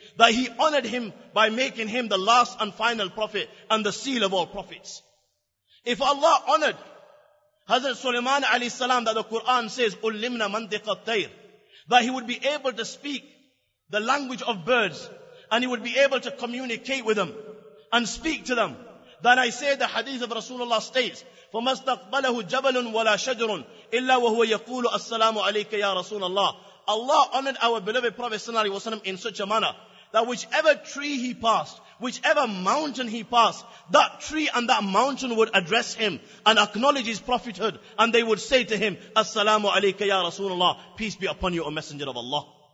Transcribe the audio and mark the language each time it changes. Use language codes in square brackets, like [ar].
[en] That he honored him by making him the last and final prophet and the seal of all prophets. If Allah honored Hazrat Sulaiman alayhi salam, that the Quran says, [ar] Ullimna mantiqa tayr, [en] that he would be able to speak the language of birds and he would be able to communicate with them and speak to them. Then I say the hadith of Rasulullah states, [ar] فَمَسْتَقْبَلَهُ جَبَلٌ وَلَا شَجْرٌ إِلَّا وَهُوَ يَقُولُ أَسَّلَامُ عَلَيْكَ يَا رَسُولَ اللَّهِ. [en] Allah honored our beloved Prophet sallallahu alayhi wa sallam in such a manner that whichever tree he passed, whichever mountain he passed, that tree and that mountain would address him and acknowledge his prophethood, and they would say to him, [ar] Assalamu alayka ya Rasulullah, [en] peace be upon you, O Messenger of Allah.